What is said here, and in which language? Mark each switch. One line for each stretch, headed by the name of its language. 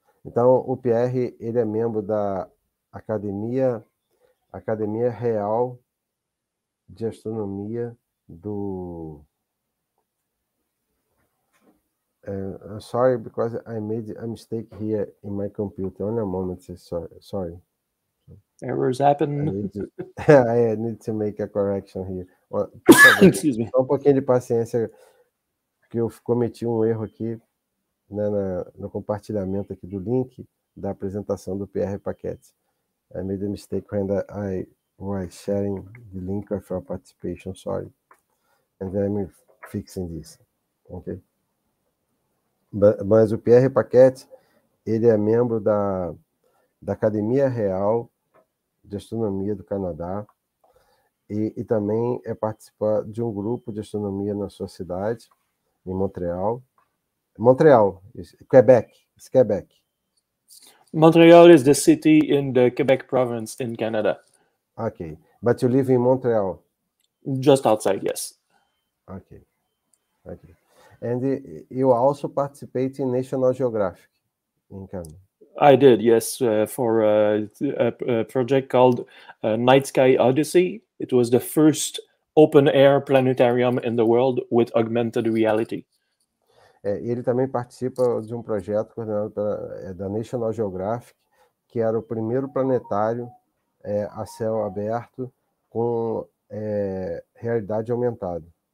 Portuguese: Então, o Pierre, ele é membro da Academia Real de Astronomia do.
English: I'm sorry because I made a mistake here in my computer. Only a moment, sorry. Errors happen. I need to make a correction here.
Portuguese: Por favor,
English: Excuse me.
Portuguese: só um pouquinho de paciência, que eu cometi um erro aqui. No compartilhamento aqui do link da apresentação do Pierre Paquette.
English: I made a mistake when I was sharing the link of your participation, sorry. And then I'm fixing this, okay?
Portuguese: Mas o Pierre Paquette, ele é membro da Academia Real de Astronomia do Canadá e também é participante de um grupo de astronomia na sua cidade, em Montreal.
English: Montreal, Quebec, it's Quebec. Montreal is the city in the Quebec province in Canada. Okay, but you live in Montreal. Just outside, yes. Okay. And you also participate in National Geographic in Canada. I did, yes, for a project called Night Sky Odyssey. It was the first open-air planetarium in the world with augmented reality.
Portuguese: Ele também participa de um projeto coordenado da National Geographic, que era o primeiro planetário a céu aberto com realidade aumentada.